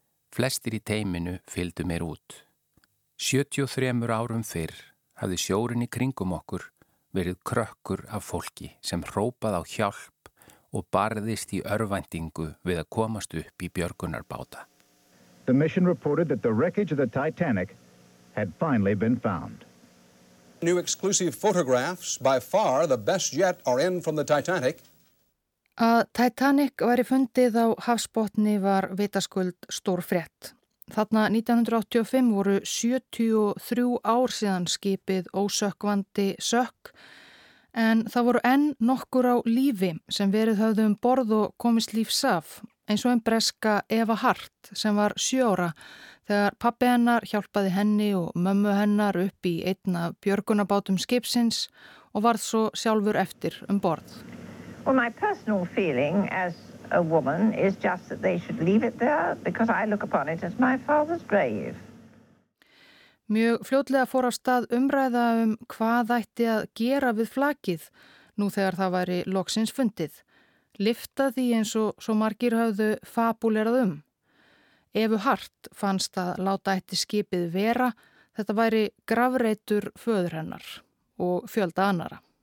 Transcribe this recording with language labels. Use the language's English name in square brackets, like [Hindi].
[Icelandic] Flestir í teiminu fylgdu mér út. 73 árum fyrr hafði sjórinn í kringum okkur verið krökkur af fólki sem hrópað á hjálp og barðist í örvæntingu við að komast upp í björgunarbáta. [English] The mission reported that the wreckage of the Titanic had finally been found. New exclusive photographs, by far the best yet, are in from the Titanic. [Icelandic] Að Titanic væri fundið á hafsbotni var vitaskuld stór frétt. Þarna 1985 voru 73 ár síðan skipið ósökkvandi sökk, en það voru enn nokkur á lífi sem verið höfðu borð og komist lífs af, eins og breska Eva Hart sem var 7 ára þegar pappi hennar hjálpaði henni og mömmu hennar upp í einna björgunabátum skipsins og varð svo sjálfur eftir borð. [English] Well, my personal feeling as a woman is just that they should leave it there because I look upon it as my father's grave. [Icelandic] Mjög fljótlega fór á stað umræða hvað ætti að gera við flakið nú þegar það væri loksins fundið. Lyfta því eins og svo margir höfðu fabulerað Evu Hart fannst að láta ætti skipið vera, þetta væri grafreitur föður hennar og fjölda annara.